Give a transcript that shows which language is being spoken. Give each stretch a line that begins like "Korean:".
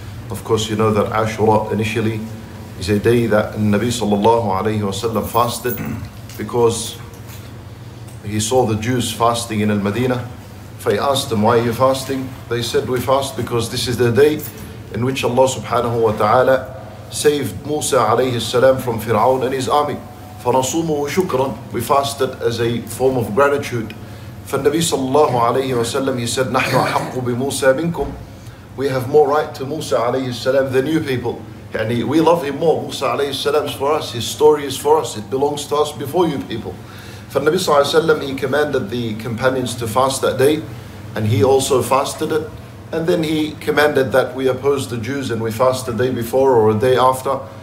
English: Of course, you know that Ashura initially is a day that Nabi sallallahu alayhi wa sallam fasted because he saw the Jews fasting in Al-Madinah. If I asked them, why are you fasting? They said, we fast because this is the day in which Allah subhanahu wa ta'ala saved Musa alayhi salam from Fir'aun and his army.
Arabic: فَنَصُومُهُ شُكْرًا.
English: We fasted as a form of gratitude.
Arabic: فَالنَّبِي صَلَّى اللَّهُ عَلَيْهِ وَسَلَّمْ
English: He said,
Arabic: نَحْنُ أَحَقُّ بِمُوسَى مِنْكُمْ.
English: We have more right to Musa alayhi salam than you people. يعني, we love him more. Musa alayhi salam is for us. His story is for us. It belongs to us before you people.
Arabic: فالنبي صلى الله عليه وسلم,
English: he commanded the companions to fast that day. And he also fasted it. And then he commanded that we oppose the Jews and we fast the day before or a day after.